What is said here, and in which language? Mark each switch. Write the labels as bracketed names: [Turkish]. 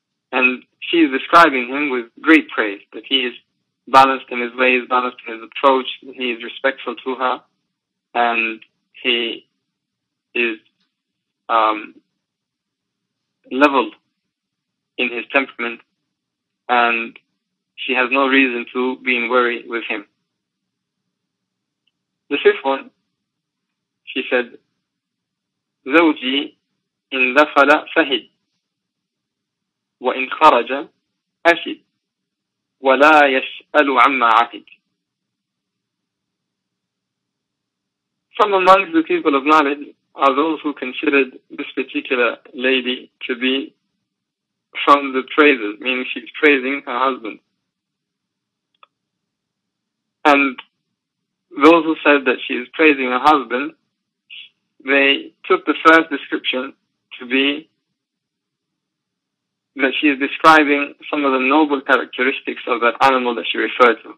[English] And she is describing him with great praise, that he is balanced in his ways, balanced in his approach, he is respectful to her, and he is leveled in his temperament, and she has no reason to be in worry with him. The fifth one, she said, [Arabic] زوجي إن دخل فهد وإن خرج أشد ولا يسأل عما عهد. [English] From amongst the people of knowledge are those who considered this particular lady to be from the praisers, meaning she's praising her husband. And those who said that she is praising her husband, they took the first description to be that she is describing some of the noble characteristics of that animal that she referred to.